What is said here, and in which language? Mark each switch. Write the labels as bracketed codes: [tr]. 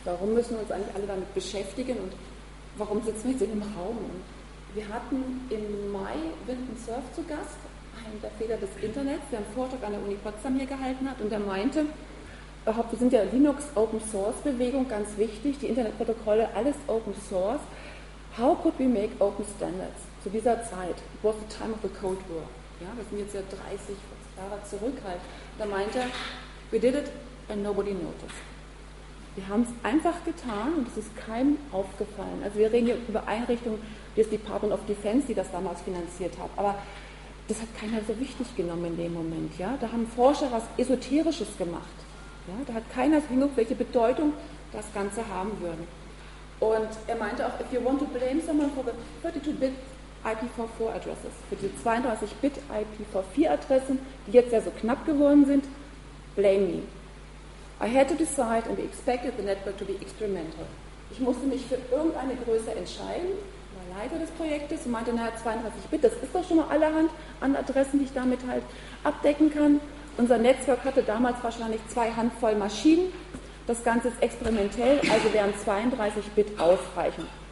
[de] Warum müssen wir uns eigentlich alle damit beschäftigen und warum sitzen wir jetzt in einem Raum? Und wir hatten im Mai Wind & Surf zu Gast, einen der Väter des Internets, der einen Vortrag an der Uni Potsdam hier gehalten hat, und der meinte, wir sind ja Linux-Open-Source-Bewegung, ganz wichtig, die Internetprotokolle, alles Open-Source. [en] How could we make open standards? [de] Zu dieser Zeit, [en] it was the time of the Cold War. [de] Ja, wir sind jetzt ja 30 Jahre zurück halt. Da meinte er, [en] we did it and nobody noticed. [de] Wir haben es einfach getan und es ist keinem aufgefallen. Also wir reden hier über Einrichtungen wie das Department of Defense, die das damals finanziert hat. Aber das hat keiner so wichtig genommen in dem Moment. Ja? Da haben Forscher was Esoterisches gemacht. Ja? Da hat keiner hingeguckt, welche Bedeutung das Ganze haben würde. Und er meinte auch, [en] if you want to blame someone for the 32-Bit IPv4 Addresses, [de] für die 32-Bit IPv4 Adressen, die jetzt ja so knapp geworden sind, [en] blame me. I had to decide and we expected the network to be experimental. [de] Ich musste mich für irgendeine Größe entscheiden, war Leiter des Projektes und meinte, naja, 32-Bit, das ist doch schon mal allerhand an Adressen, die ich damit halt abdecken kann. Unser Netzwerk hatte damals wahrscheinlich 2 Handvoll Maschinen. Das Ganze ist experimentell, also wären 32-Bit ausreichend.